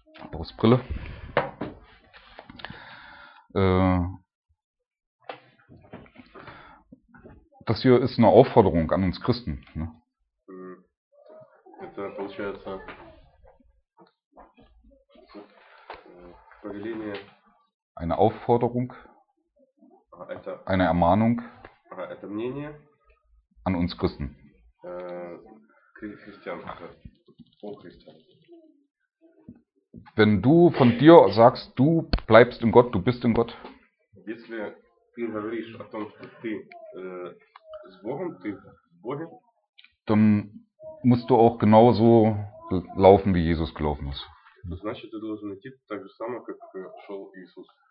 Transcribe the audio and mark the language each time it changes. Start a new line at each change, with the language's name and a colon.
German: Brustbrille. Das hier ist eine Aufforderung an uns Christen. Ne?
Russian: Это получается повеление.
German: Eine Aufforderung.
Russian: Это,
German: eine Ermahnung.
Russian: Это мнение.
German: An uns Christen.
Russian: Христиан. О Христиан.
German: Wenn du von dir sagst, du bleibst in Gott, du bist in Gott.
Russian: Если ты говоришь о том, что ты с Богом, ты в Боге.
German: Dann musst du auch genauso laufen, wie Jesus gelaufen ist.
Russian: Das значит, ты должен идти так же само, как шел Иисус.